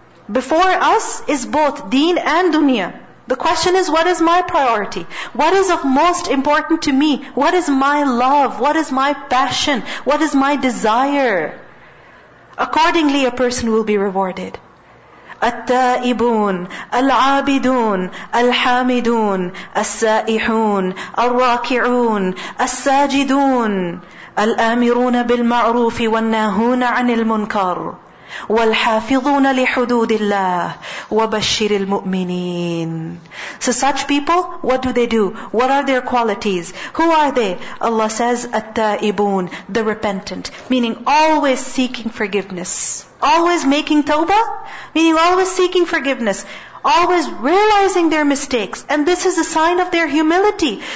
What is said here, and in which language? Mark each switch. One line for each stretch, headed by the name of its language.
English: Before us is both deen and dunya. The question is, what is my priority? What is of most important to me? What is my love? What is my passion? What is my desire? Accordingly, a person will be rewarded.
Arabic: التائبون العابدون الحامدون السائحون الراكعون الساجدون الآمرون بالمعروف والناهون عن المنكر والحافظون لحدود الله وبشر المؤمنين.
English: So such people, what do they do? What are their qualities? Who are they? Allah says, التائبون, the repentant, meaning always seeking forgiveness. Always making tawbah, meaning always seeking forgiveness. Always realizing their mistakes. And this is a sign of their humility.